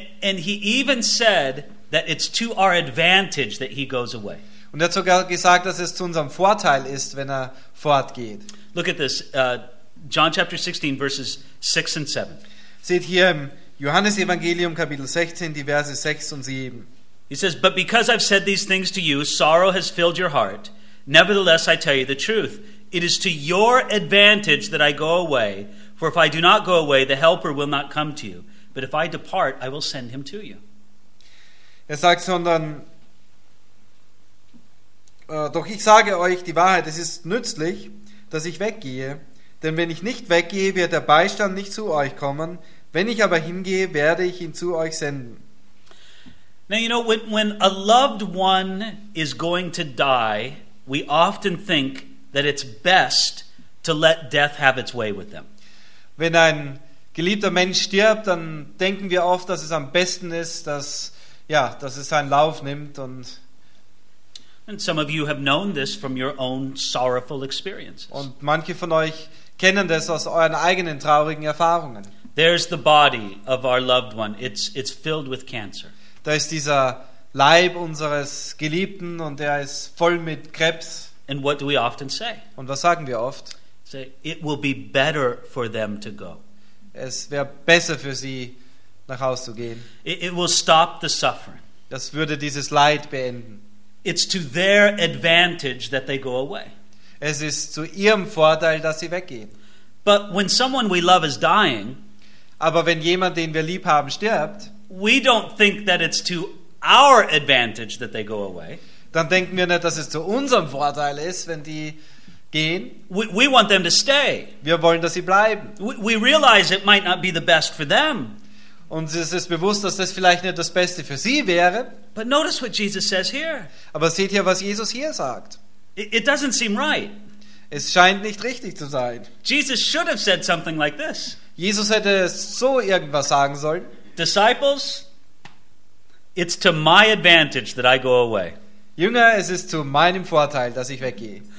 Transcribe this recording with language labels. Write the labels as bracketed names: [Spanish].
[English] And he even said that it's to our advantage that he goes away. [German] Und er hat sogar gesagt, dass es zu unserem Vorteil ist, wenn er fortgeht. [English] Look at this, John chapter 16, verses 6 and 7. [German] Seht hier im Johannes Evangelium Kapitel 16, die Verse 6 und 7. [English] He says, but because I've said these things to you, sorrow has filled your heart. Nevertheless, I tell you the truth. It is to your advantage that I go away. For if I do not go away, the Helper will not come to you. But if I depart, I will send him to you. [German] Er sagt, sondern doch ich sage euch die Wahrheit, es ist nützlich, dass ich weggehe. Denn wenn ich nicht weggehe, wird der Beistand nicht zu euch kommen. Wenn ich aber hingehe, werde ich ihn zu euch senden. [English] Now you know, when a loved one is going to die, we often think that it's best to let death have its way with them. [German] Wenn ein geliebter Mensch stirbt, dann denken wir oft, dass es am besten ist, dass ja, dass es seinen Lauf nimmt. [English] And some of you have known this from your own sorrowful experiences. [German] Und manche von euch kennen das aus euren eigenen traurigen Erfahrungen. [English] There's the body of our loved one. It's filled with cancer. [German] Da ist dieser Leib unseres Geliebten und der ist voll mit Krebs. [English] And what do we often say? [German] Und was sagen wir oft? [English] So it will be better for them to go. [German] Es wäre besser für sie, nach Hause zu gehen. [English] It will stop the suffering. [German] Das würde dieses Leid beenden. [English] It's to their advantage that they go away. [German] Es ist zu ihrem Vorteil, dass sie weggehen. [English] But when someone we love is dying, [German] aber wenn jemand, den wir lieb haben, stirbt, [English] we don't think that it's to our advantage that they go away. [German] Dann denken wir nicht, dass es zu unserem Vorteil ist, wenn die gehen. [English] We want them to stay. [German] Wir wollen, dass sie bleiben. [English] We realize it might not be the best for them. [German] Uns ist es bewusst, dass das vielleicht nicht das Beste für sie wäre. [English] But notice what Jesus says here. [German] Aber seht hier, was Jesus hier sagt. [English] It doesn't seem right. [German] Es scheint nicht richtig zu sein. [English] Jesus should have said something like this. [German] Jesus hätte so irgendwas sagen sollen. [English] Disciples, it's to my advantage that I go away. [German] Jünger, es ist zu meinem Vorteil, dass ich weggehe.